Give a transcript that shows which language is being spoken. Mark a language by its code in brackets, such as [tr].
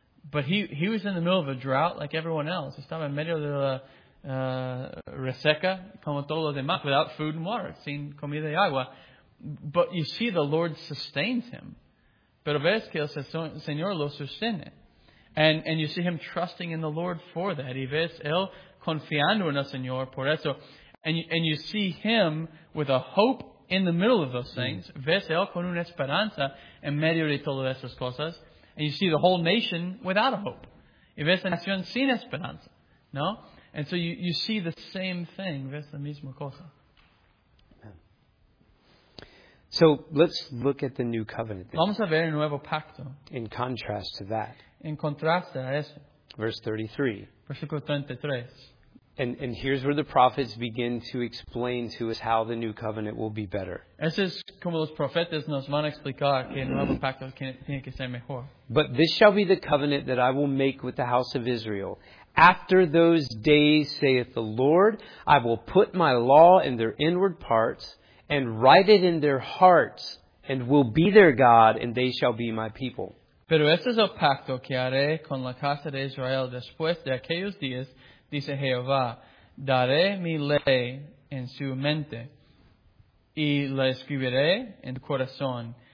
[en] But he was in the middle of a drought like everyone else. [es] Estaba en medio de la reseca como todos los demás, [en] without food and water, [es] sin comida y agua. [en] But you see, the Lord sustains him. [es] Pero ves que el Señor lo sostiene. [en] And you see him trusting in the Lord for that. [es] Y ves él confiando en el Señor por eso. [en] And you see him with a hope in the middle of those things. Mm-hmm. [es] Ves él con una esperanza en medio de todas esas cosas. [en] And you see the whole nation without a hope. [es] Y ves la nación sin esperanza. No? [en] And so you see the same thing. [es] Ves la misma cosa. [en] So let's look at the new covenant. [es] Then. Vamos a ver el nuevo pacto. [en] In contrast to that. [es] En contraste a eso. [en] Verse 33. [es] Versículo 33. [en] And here's where the prophets begin to explain to us how the new covenant will be better. [es] Eso es como los profetas nos van a explicar que el nuevo pacto tiene que ser mejor. [en] But this shall be the covenant that I will make with the house of Israel. After those days, saith the Lord, I will put my law in their inward parts, and write it in their hearts, and will be their God, and they shall be my people. [es] Pero este es el pacto que haré con la casa de Israel después de aquellos días, dice Jehová. Daré mi ley en su mente, y la escribiré en su corazón.